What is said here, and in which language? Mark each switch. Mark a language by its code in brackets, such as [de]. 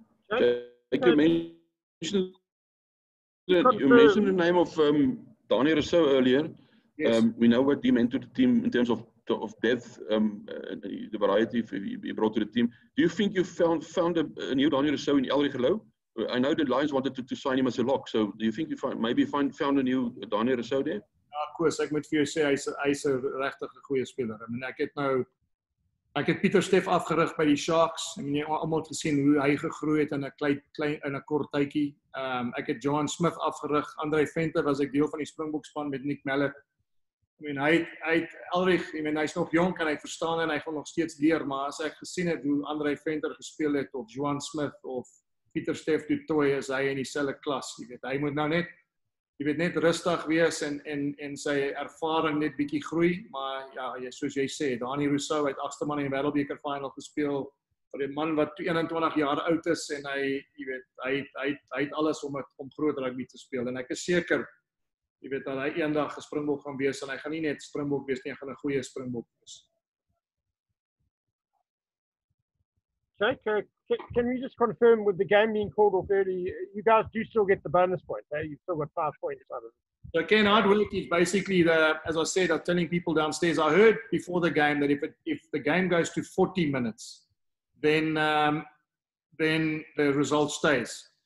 [en] Thank you. You mentioned the name of Daniel Rousseau earlier. Yes. We know what he meant to the team in terms of depth, the variety he brought to the team. Do you think you found a new Daniel Rousseau in Elri Gelou? I know the Lions wanted to sign him as a lock, so do you think you found a new Daniel Rousseau there? Of course, [af] ek moet vir jou sê, hy's 'n regtig goeie speler. [en] I mean, [af] ek het Pieter Steff afgerig by die Sharks. [en] I mean, [af] jy het almal gesien hoe hy gegroei het in 'n klein in 'n kort tydjie. Ek het John Smith afgerig. Andre Venter was ek deel van die Springbokspan met Nick Mallett. [en] I mean, [af] hy's nog jong en hy verstaan en hy gaan nog steeds leer, maar as ek gesien het hoe Andre Venter gespeel het of Johan Smith of Pieter Steff Du Toit, is hy in dieselfde klas, jy weet. Hy moet nou net, jy weet, net rustig wees en sy ervaring net bietjie groei, maar ja, soos jy sê, Dani Rousseau het 8de man in die Wêreldbeker final gespeel vir 'n man wat 21 jaar oud is en hy, jy weet, hy het alles om groot rugby te speel en ek is seker, jy weet, dat hy eendag Springbok gaan wees en hy gaan nie net Springbok wees nie, hy gaan 'n goeie Springbok wees. [en] Jake, can you just confirm with the game being called off early, you guys do still get the bonus points, eh? You've still got 5 points out of it. So Ken, hard work is basically the, as I said, I'm telling people downstairs, I heard before the game that if the game goes to 40 minutes, then the result stays.